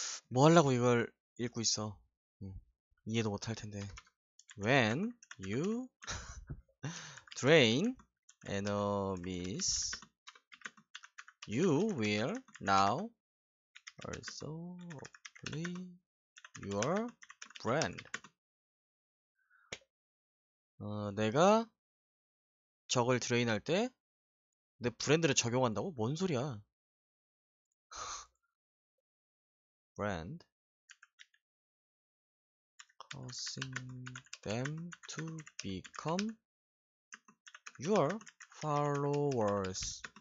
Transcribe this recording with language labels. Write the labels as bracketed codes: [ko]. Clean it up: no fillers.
[ko] 뭐 하려고 이걸 읽고 있어. 이해도 못할 텐데. [en] When you drain enemies, you will now also play your brand. [ko] 어, 내가 적을 드레인할 때 내 브랜드를 적용한다고? 뭔 소리야? [en] Brand causing them to become your followers.